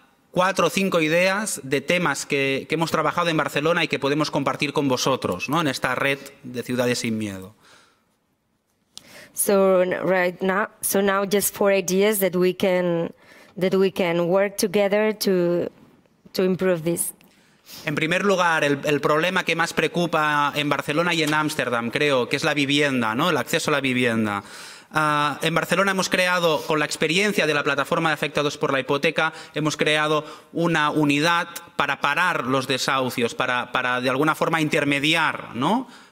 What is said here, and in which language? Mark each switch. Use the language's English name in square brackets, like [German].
[Spanish] Cuatro o cinco ideas de temas que hemos trabajado en Barcelona y que podemos compartir con vosotros, ¿no? En esta red de ciudades sin miedo. [English] So right now, just four ideas that we can work together to improve this. [Spanish] En primer lugar, el problema que más preocupa en Barcelona y en Ámsterdam, creo, que es la vivienda, ¿no? El acceso a la vivienda. En Barcelona hemos creado, con la experiencia de la plataforma de afectados por la hipoteca, hemos creado una unidad para parar los desahucios, para de alguna forma intermediar, ¿no?